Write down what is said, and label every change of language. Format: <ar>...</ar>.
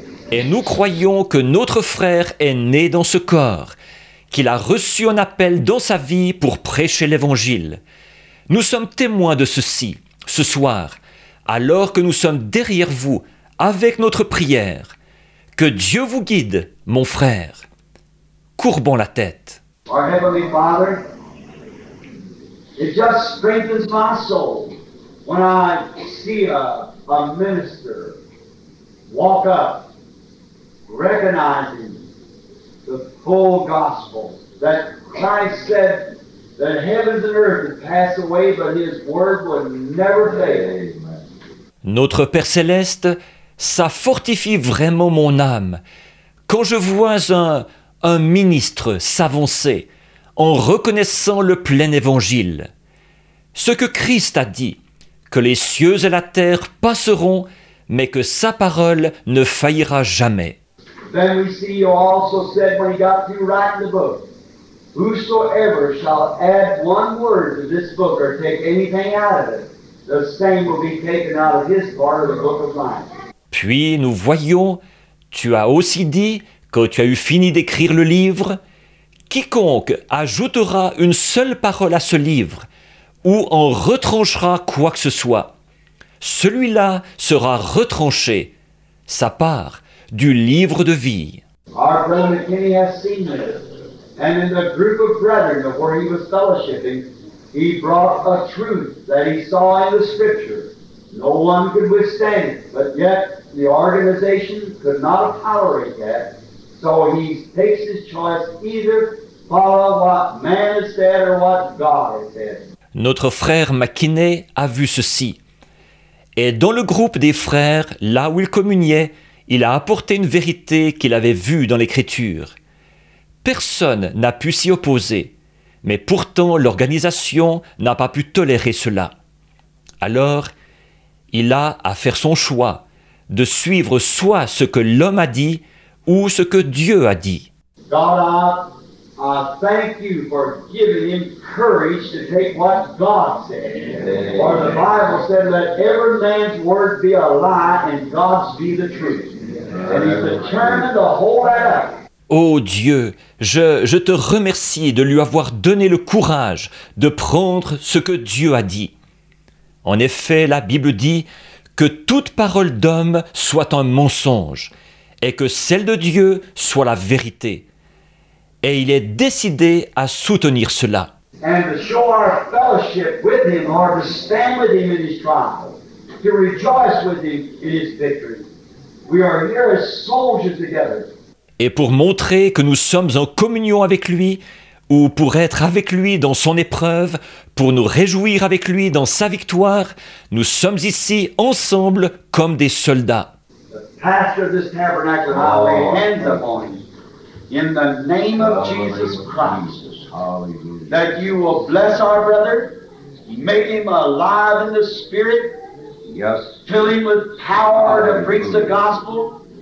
<fr>Et nous croyons que notre frère est né dans ce corps, qu'il a reçu un appel dans sa vie pour prêcher l'Évangile. Nous sommes témoins de ceci, ce soir, alors que nous sommes derrière vous, avec notre prière. Que Dieu vous guide, mon frère. Courbons la tête.</fr> <en>Our Heavenly Father, it just strengthens my soul when I see a minister walk up, recognizing the full gospel that Christ said that heavens and earth would pass away, but his word would never fail.</en> <fr>Notre Père Céleste, ça fortifie vraiment mon âme quand je vois un ministre s'avancer en reconnaissant le plein évangile. Ce que Christ a dit, que les cieux et la terre passeront, mais que sa parole ne faillira jamais.</fr> <en>Then we see you also said when he got through writing the book, whosoever shall add one word to this book or take anything out of it, the same will be taken out of his part of the book of life.</en> <fr>Puis nous voyons, tu as aussi dit que tu as eu fini d'écrire le livre, quiconque ajoutera une seule parole à ce livre ou en retranchera quoi que ce soit, celui-là sera retranché, sa part, du livre de vie.</fr> <en>Our brother McKinney has seen this. And in the group of brethren where he was fellowshipping, he brought a truth that he saw in the scripture. No one could withstand it, but yet the organization could not tolerate that. So he takes his choice, either follow what man has said or what God has said.</en> <fr>Notre frère McKinney a vu ceci. Et dans le groupe des frères, là où il communiait, il a apporté une vérité qu'il avait vue dans l'Écriture. Personne n'a pu s'y opposer, mais pourtant l'organisation n'a pas pu tolérer cela. Alors, il a à faire son choix de suivre soit ce que l'homme a dit ou ce que Dieu a dit.</fr> <en>God, I thank you for giving him courage to take what God said. For the Bible said, let every man's word be a lie and God's be the truth. And he's determined to hold that up.</en> <fr>Oh Dieu, je te remercie de lui avoir donné le courage de prendre ce que Dieu a dit. En effet, la Bible dit que toute parole d'homme soit un mensonge et que celle de Dieu soit la vérité. Et il est décidé à soutenir cela.</fr> <en>And to show our fellowship with him, or to stand with him in his trials, to rejoice with him in his victory. We are here as soldiers together.</en> <fr>Et pour montrer que nous sommes en communion avec lui, ou pour être avec lui dans son épreuve, pour nous réjouir avec lui dans sa victoire, nous sommes ici ensemble comme des soldats.</fr> <en>The pastor of this tabernacle, I lay hands upon you in the name of Jesus Christ, that you will bless our brother, make him alive in the spirit, yes, fill him with power to preach the gospel.</en>